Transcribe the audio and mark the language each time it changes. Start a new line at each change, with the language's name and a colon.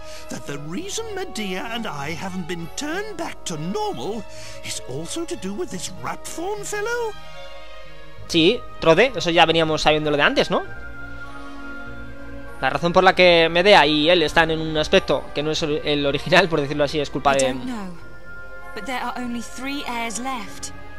English: That the reason Medea and I haven't been turned back to normal is also to do with this Rapthorn fellow?
Spanish: Sí, Trode, eso ya veníamos sabiéndolo de antes, ¿no? La razón por la que Medea y él están en un aspecto que no es el original, por decirlo así, es culpa de.
English: No, but there are only three heirs left.